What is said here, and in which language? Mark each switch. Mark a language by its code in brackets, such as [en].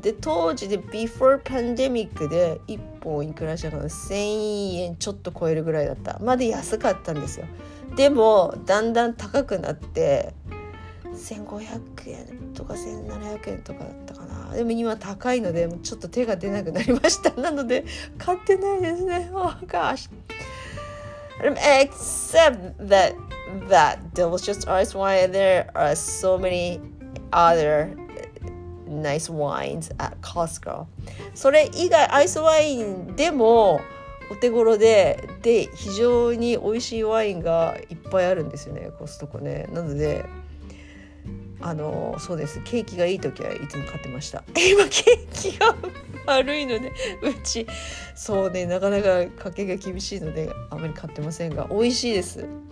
[ja] で、当時で [en] before pandemic [ja] で一本いくらしたかな、1000円ちょっと超えるぐらいだった。まだ安かったんですよ。でもだんだん高くなって1500円とか1700円とかだったかな。でも今高いのでちょっと手が出なくなりました。なので買ってないですね。 [en] Oh gosh. Except that delicious ice wine, there are so manyother nice wines at Costco. [ja] それ以外アイスワインでもお手頃で、で非常に美味しいワインがいっぱいあるんですよね、コストコね。なのであのそうです、ケーキがいい時はいつも買ってました。今ケーキが悪いので、うちそうね、なかなか家計が厳しいのであまり買ってませんが、美味しいです。